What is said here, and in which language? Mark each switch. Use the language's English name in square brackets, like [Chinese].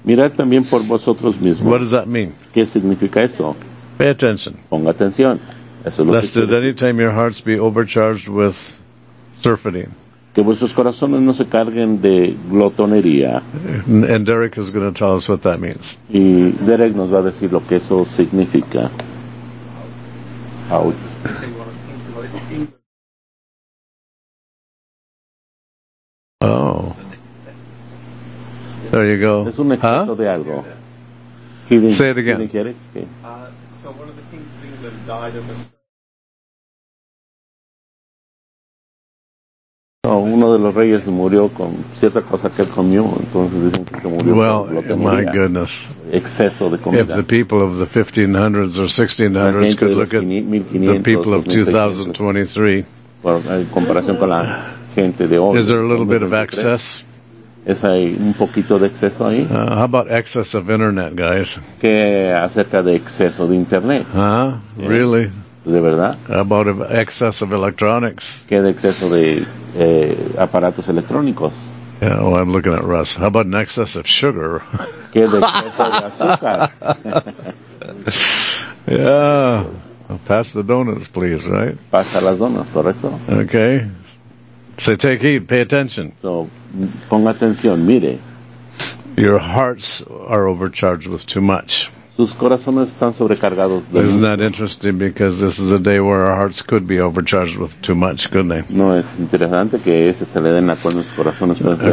[Spanish] Mirad también por vosotros mismos. [English] What does that mean? [Spanish] ¿Qué significa eso? [English] Pay attention. [Spanish] Ponga atención. Eso es lo [English] lest [Spanish] que [English] at any time your hearts be overcharged with surfeiting. [Spanish] Que vuestros corazones no se carguen de glotonería. [English] And Derek is going to tell us what that means. [Spanish] Y Derek nos va a decir lo que eso significa. [English] Out. Oh, there you go. [Spanish] Es un exceso huh? De algo. [English] Say it again. So one of the kings of England died of a stroke. [Spanish] No, uno de los reyes murió con cierta cosa que él comió, entonces dicen que se murió. [English] Well, my goodness. [Spanish] Exceso de comida. [English] If the people of the 1500s or 1600s could look at the people of 2023. [Spanish] Bueno, en comparación con la gente de hoy. [English] Is there a little bit of excess? [Spanish] ¿Es ahí un poquito de exceso ahí? [English] How about excess of internet, guys? [Spanish] ¿Qué acerca de exceso de internet? [English] Huh? Yeah. Really? [Spanish] ¿De verdad? [English] How about excess of electronics? [Spanish] ¿Qué de exceso de aparatos electrónicos? [English] Yeah, well, I'm looking at Russ. How about an excess of sugar? [Spanish] ¿Qué de exceso de azúcar? [English] Yeah. Pass the donuts, please, right? [Spanish] Pasa las donas, correcto. [English] Okay. So take heed, pay attention. [Spanish] So, ponga atención, mire. [English] Your hearts are overcharged with too much. [Spanish] Sus corazones están sobrecargados de [English] isn't that interesting? Because this is a day where our hearts could be overcharged with too much, couldn't they? [Spanish] No, es interesante que es este le den la cual nuestros corazones pueden ser